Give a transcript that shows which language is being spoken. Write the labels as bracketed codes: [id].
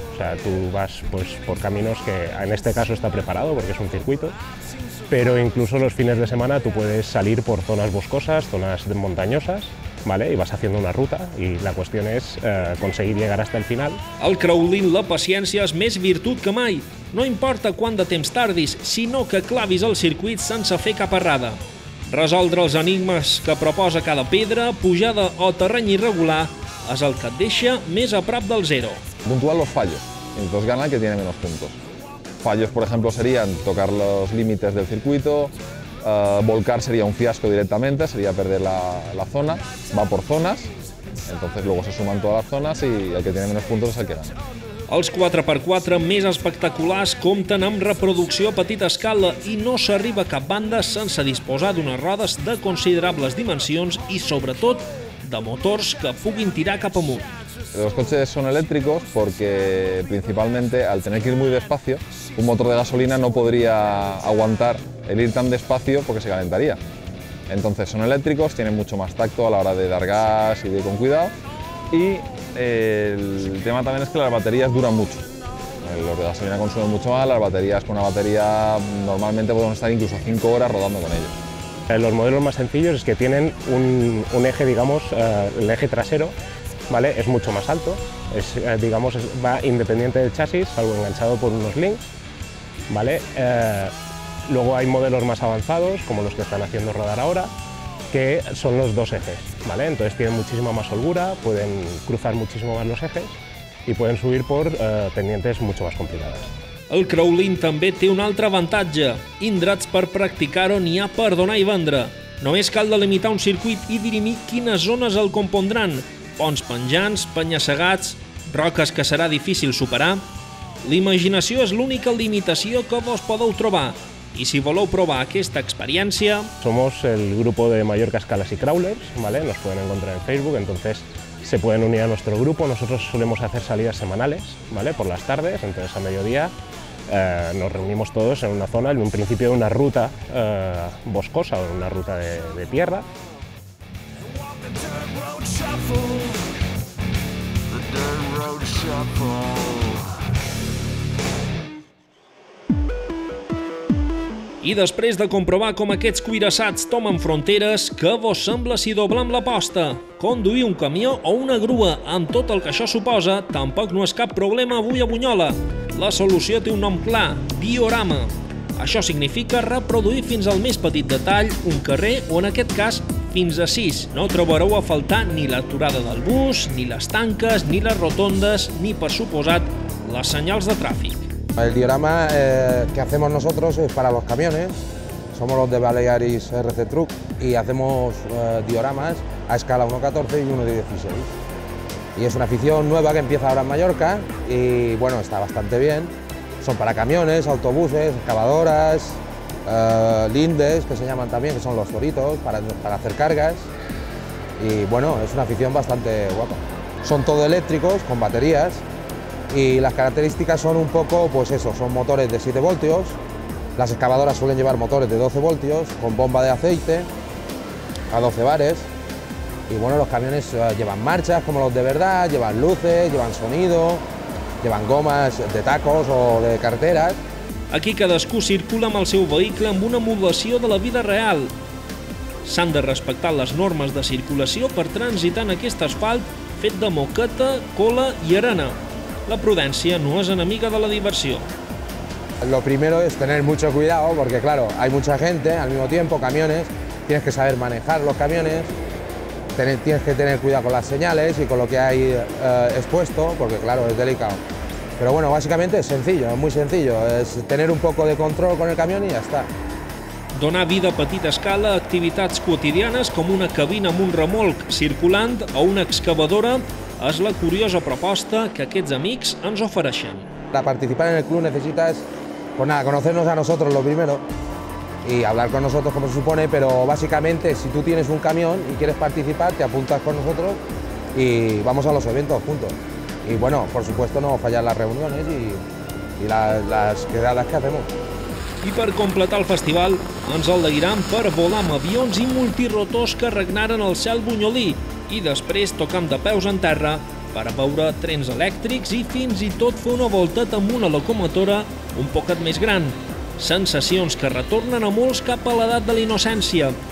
[es] O sea, tú vas pues, por caminos que en este caso está preparado porque es un circuito, pero incluso los fines de semana tú puedes salir por zonas boscosas, zonas montañosas, ¿vale? Y vas haciendo una ruta y la cuestión es conseguir llegar hasta el final. [ca] El crawling, la paciència, és més virtut que mai. No importa quant de temps tardis, sinó que clavis el circuit sense fer cap errada. Resoldre els enigmes que proposa cada pedra, pujada o terreny irregular és el que et deixa més a prop del zero. [es] Puntuar los fallos, entonces gana el que tiene menos puntos. Fallos, por ejemplo, serían tocar los límites del circuito, volcar sería un fiasco directamente, sería perder la zona, va por zonas, entonces luego se suman todas las zonas y el que tiene menos puntos es el que gana. [ca] Els 4x4 més espectaculars compten amb reproducció a petita escala i no s'arriba a cap banda sense disposar d'unes rodes de considerables dimensions i, sobretot, de motors que puguin tirar cap amunt. [es] Los coches son eléctricos porque principalmente al tener que ir muy despacio, un motor de gasolina no podría aguantar el ir tan despacio porque se calentaría. Entonces son eléctricos, tienen mucho más tacto a la hora de dar gas y de ir con cuidado. Y el tema también es que las baterías duran mucho. Los de gasolina consumen mucho más, las baterías con una batería normalmente podemos estar incluso 5 horas rodando con ellos. Los modelos más sencillos es que tienen un eje, digamos, el eje trasero. Vale, es mucho más alto, va independiente del chasis, salvo enganchado por unos links. Vale, luego hay modelos más avanzados, como los que están haciendo rodar ahora, que son los dos ejes. Vale, entonces tienen muchísima más holgura, pueden cruzar muchísimo más los ejes y pueden subir por pendientes mucho más complicadas. [ca] El crawling també té un altre avantatge. Indrets per practicar-ho n'hi ha per donar i vendre. Només cal delimitar un circuit i dirimir quines zones el compondran. Ponts penjants, penya-segats, roques que serà difícil superar... L'imaginació és l'única limitació que vos podeu trobar. I si voleu provar aquesta experiència... [es] Somos el grupo de Mallorca Escalas y Crawlers, ¿vale? Nos pueden encontrar en Facebook, entonces se pueden unir a nuestro grupo. Nosotros solemos hacer salidas semanales, ¿vale? Por las tardes, entonces a mediodía nos reunimos todos en una zona, en un principio una ruta boscosa o una ruta de tierra. [ca] I després de comprovar com aquests cuirassats tomen fronteres, què vos sembla si doblem l'aposta? Conduir un camió o una grua, amb tot el que això suposa, tampoc no és cap problema avui a Bunyola. La solució té un nom clar, diorama. Això significa reproduir fins al més petit detall un carrer o, en aquest cas, fins a 6. No trobareu a faltar ni l'aturada del bus, ni les tanques, ni les rotondes, ni, per suposat, les senyals de tràfic. [es] El diorama que hacemos nosotros es para los camiones. Somos los de Balearis RC Truck y hacemos dioramas a escala 1.14 y 1.16. Y es una afición nueva que empieza ahora en Mallorca y, bueno, está bastante bien. Son para camiones, autobuses, excavadoras, lindes, que se llaman también, que son los toritos, para hacer cargas. Y, bueno, es una afición bastante guapa. Son todo eléctricos, con baterías, y las características son un poco, pues eso, son motores de 7 voltios. Las excavadoras suelen llevar motores de 12 voltios, con bomba de aceite, a 12 bares. Y bueno, los camiones llevan marchas como los de verdad, llevan luces, llevan sonido, llevan gomas de tacos o de carreteras. [ca] Aquí cadascú circula amb el seu vehicle amb una modulació de la vida real. S'han de respectar les normes de circulació per transitar en aquest asfalt fet de moqueta, cola i arena. La prudència no és enemiga de la diversió. [es] Lo primero es tener mucho cuidado porque, claro, hay mucha gente, al mismo tiempo, camiones. Tienes que saber manejar los camiones, tienes que tener cuidado con las señales y con lo que hay expuesto, porque, claro, es delicado. Pero bueno, básicamente es sencillo, es muy sencillo. Es tener un poco de control con el camión y ya está. [ca] Donar vida a petita escala a activitats quotidianes com una cabina amb un remolc circulant o una excavadora és la curiosa proposta que aquests amics ens ofereixen. [es] Para participar en el club necesitas, pues nada, conocernos a nosotros lo primero y hablar con nosotros como se supone, pero básicamente si tú tienes un camión y quieres participar, te apuntas con nosotros y vamos a los eventos juntos. Y bueno, por supuesto no fallar las reuniones y las quedadas que hacemos. [ca] I per completar el festival, ens alegrarem per volar amb avions i multirotors que regnaren al cel bunyolí i després tocant de peus en terra per a veure trens elèctrics i fins i tot fer una voltat amb una locomotora un poquet més gran. Sensacions que retornen a molts cap a l'edat de la innocència.